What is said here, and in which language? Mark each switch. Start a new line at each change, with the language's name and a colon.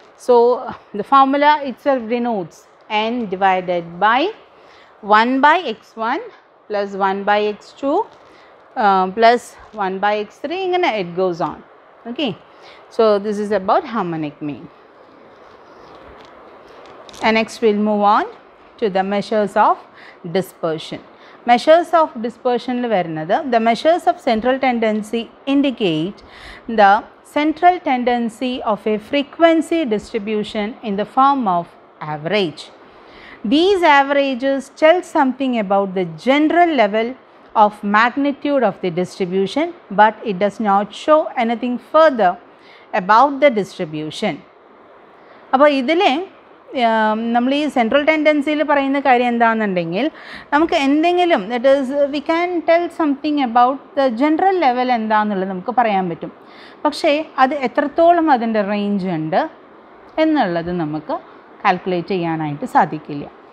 English: So the formula itself denotes n divided by one by x one plus one by x two plus one by x three, ഇങ്ങനെ it goes on. Okay, so this is about harmonic mean. And next we'll move on to the measures of dispersion. Measures of dispersion
Malayalam: le varunathu,
English: the measures of central tendency indicate the central tendency of a frequency distribution in the form of average. These averages tell something about the general level of magnitude of the distribution, but it does not show anything further about the distribution.
Malayalam: Appo idile നമ്മൾ ഈ central ടെൻഡൻസിയിൽ പറയുന്ന കാര്യം എന്താണെന്നുണ്ടെങ്കിൽ നമുക്ക് എന്തെങ്കിലും
English: that is we can tell something about the general level
Malayalam: എന്താണെന്നുള്ളത് നമുക്ക് പറയാൻ പറ്റും. പക്ഷേ അത് എത്രത്തോളം അതിൻ്റെ റേഞ്ച് ഉണ്ട് എന്നുള്ളത് നമുക്ക് കാൽക്കുലേറ്റ് ചെയ്യാനായിട്ട് സാധിക്കില്ല.